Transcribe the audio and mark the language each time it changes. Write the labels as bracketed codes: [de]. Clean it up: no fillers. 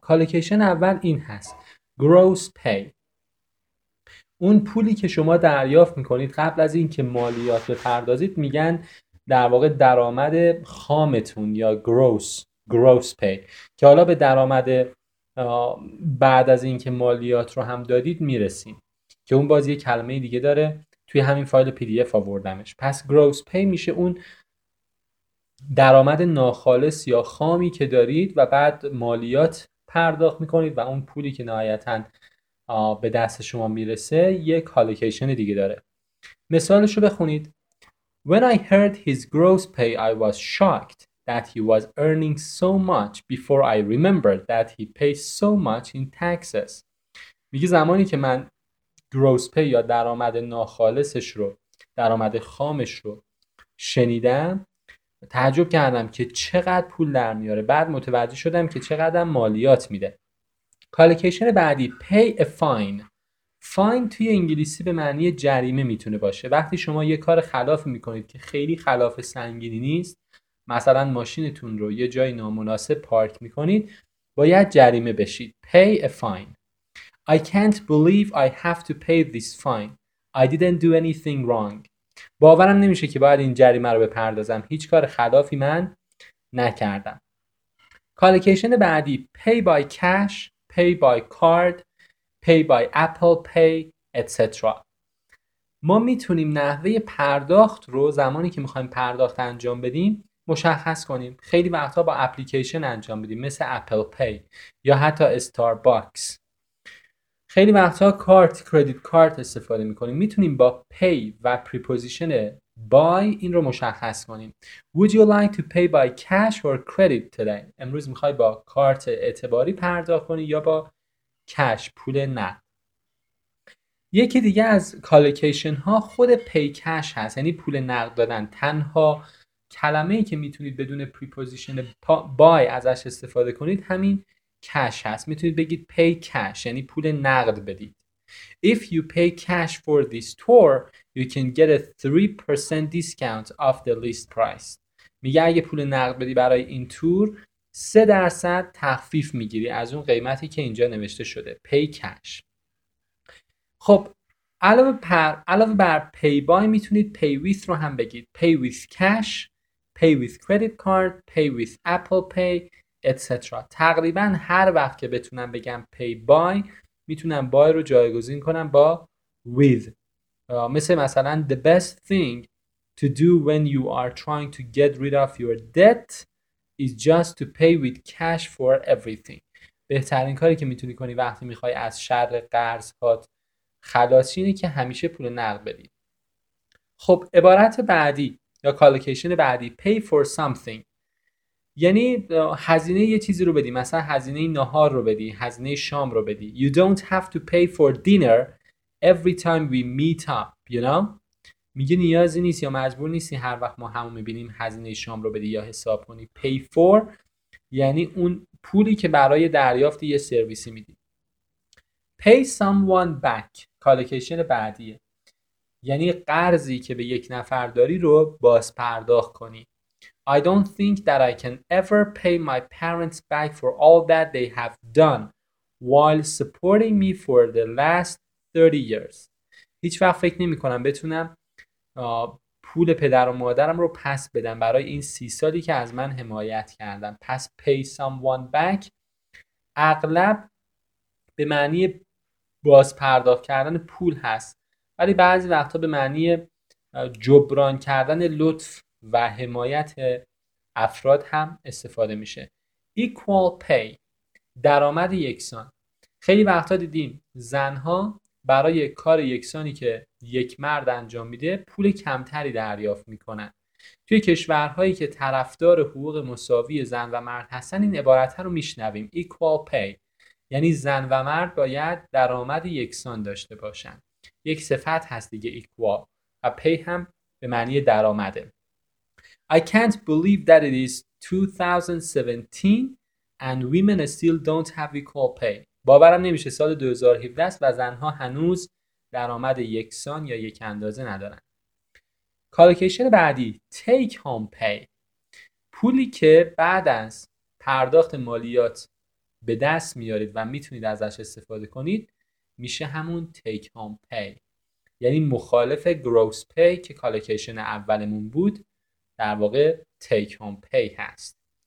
[fa] کالکیشن اول این هست: gross pay، اون پولی که شما دریافت میکنید قبل از این که مالیات بپردازید، میگن در واقع درآمد خامتون یا gross pay، که حالا به درآمد بعد از اینکه مالیات رو هم دادید میرسیم که اون باز یه کلمه دیگه داره، توی همین فایل PDF آوردمش. پس gross pay میشه اون درآمد ناخالص یا خامی که دارید و بعد مالیات پرداخت میکنید و اون پولی که نهایتاً به دست شما میرسه یه کالکیشن دیگه داره. مثالشو بخونید: [en] When I heard his gross pay, I was shocked that he was earning so much before I remembered that he pays so much in taxes. [fa] میگه زمانی که من gross pay یا درآمد ناخالصش رو، درآمد خامش رو شنیدم، تعجب کردم که چقدر پول در میاره. بعد متوجه شدم که چقدر مالیات میده. کالکیشن بعدی: pay a fine. فاین توی انگلیسی به معنی جریمه میتونه باشه. وقتی شما یه کار خلاف میکنید که خیلی خلاف سنگینی نیست، مثلا ماشینتون رو یه جای نامناسب پارک میکنید، باید جریمه بشید. [en] Pay a fine. I can't believe I have to pay this fine. I didn't do anything wrong. [fa] باورم نمیشه که باید این جریمه رو بپردازم. هیچ کار خلافی من نکردم. کالکیشن بعدی: Pay by cash. [en] Pay by card. Pay by Apple Pay, etc. [fa] ما میتونیم نحوه پرداخت رو زمانی که میخوایم پرداخت انجام بدیم مشخص کنیم. خیلی وقتا با اپلیکیشن انجام بدیم، مثل Apple Pay یا حتی Starbucks. خیلی وقتا کارت، کردیت کارت استفاده میکنیم. میتونیم با Pay و پریپوزیشن By این رو مشخص کنیم. [en] Would you like to pay by cash or credit today? [fa] امروز میخوای با کارت اعتباری پرداخت کنی یا با کش، پول نقد. یکی دیگه از کالکیشن ها خود پی کش هست، یعنی پول نقد دادن. تنها کلمه‌ای که میتونید بدون پریپوزیشن بای ازش استفاده کنید همین کش هست. میتونید بگید پی کش، یعنی پول نقد بدید. [en] If you pay cash for this tour, you can get a 3% discount off the list price. [fa] میگه اگه پول نقد بدی برای این تور 3% تخفیف میگیری از اون قیمتی که اینجا نوشته شده. [en] Pay cash. [fa] خب علاوه بر pay by میتونید pay with رو هم بگید. [en] Pay with cash, pay with credit card, pay with Apple Pay, etc. [fa] تقریبا هر وقت که بتونم بگم pay by میتونم by رو جایگزین کنم با with. [en] مثلا the best thing to do when you are trying to get rid of your debt is just to pay with cash for everything. [fa] بهترین کاری که میتونی کنی وقتی میخوای از شر قرضات خلاص اینه که همیشه پول نقد بدی. خب عبارت بعدی یا کالوکیشن بعدی pay for something یعنی هزینه یه چیزی رو بدی، مثلا هزینه نهار رو بدی، هزینه شام رو بدی. [en] You don't have to pay for dinner every time we meet up, you know. [fa] میگه نیازی نیست یا مجبور نیستی هر وقت ما همو میبینیم هزینه شام رو بدی یا حساب کنی. Pay for یعنی اون پولی که برای دریافت یه سرویسی میدی. Pay someone back کالوکیشن بعدیه، یعنی قرضی که به یک نفر داری رو بازپرداخت کنی. [en] I don't think that I can ever pay my parents back for all that they have done while supporting me for the last 30 years. [fa] هیچ وقت فکر نمی کنم بتونم پول پدر و مادرم رو پس بدم برای این 30 سالی که از من حمایت کردن. پس pay someone back اغلب به معنی بازپرداخت کردن پول هست، ولی بعضی وقتا به معنی جبران کردن لطف و حمایت افراد هم استفاده میشه. Equal pay درآمد یکسان. خیلی وقتا دیدیم زنها برای کار یکسانی که یک مرد انجام میده پول کمتری دریافت میکنن. توی کشورهایی که طرفدار حقوق مساوی زن و مرد هستن این عبارت رو میشنویم Equal pay، یعنی زن و مرد باید درآمد یکسان داشته باشن. یک صفت هست دیگه Equal، و pay هم به معنی درآمده. [en] I can't believe that it is 2017 and women still don't have equal pay. [fa] باورم نمیشه سال 2017 است و زنها هنوز درآمد یکسان یا یک اندازه ندارن. کالوکیشن بعدی take home pay، پولی که بعد از پرداخت مالیات به دست میارید و میتونید ازش استفاده کنید میشه همون take home pay، یعنی مخالف gross pay که کالوکیشن اولمون بود در واقع take home pay هست.